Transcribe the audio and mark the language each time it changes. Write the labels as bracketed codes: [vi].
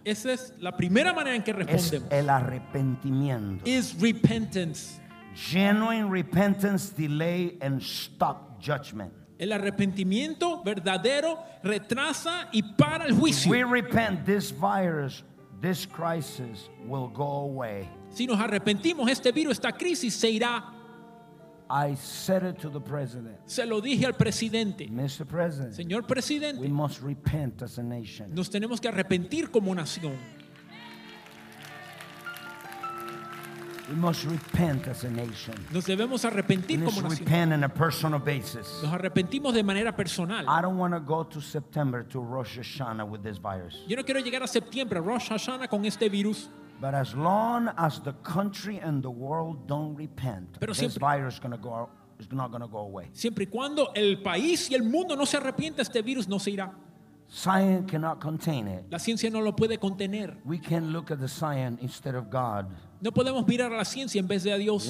[es] Esa es la primera manera en que respondemos. Es el arrepentimiento. [en] Is repentance. Genuine repentance delay and stop judgment. [es] El arrepentimiento verdadero retrasa y para el juicio. [en] We repent, this virus, this crisis will go away. [es] Si nos arrepentimos, este virus, esta crisis se irá. [en] I said it to the president. [es] Se lo dije al presidente. [en] Mr. President. [es] Señor presidente. [en] We must repent as a nation. [es] Nos tenemos que arrepentir como nación. [en] We must repent as a nation. [es] Nos debemos arrepentir [en] we [es] como [en] must [es] nación. [en] Repent on a personal basis. [es] Nos arrepentimos de manera personal. [en] I don't want to go to September to Rosh Hashanah with this virus. [es] Yo no quiero llegar a septiembre, Rosh Hashanah, con este virus. [en] But as long as the country and the world don't repent, [es] pero [en] this virus is not going to go away. [es] Siempre y cuando el país y el mundo no se arrepienta, este virus no se irá. [en] Science cannot contain it. [es] La ciencia no lo puede contener. [en] We can look at the science instead of God. [es] No podemos mirar a la ciencia en vez de a Dios.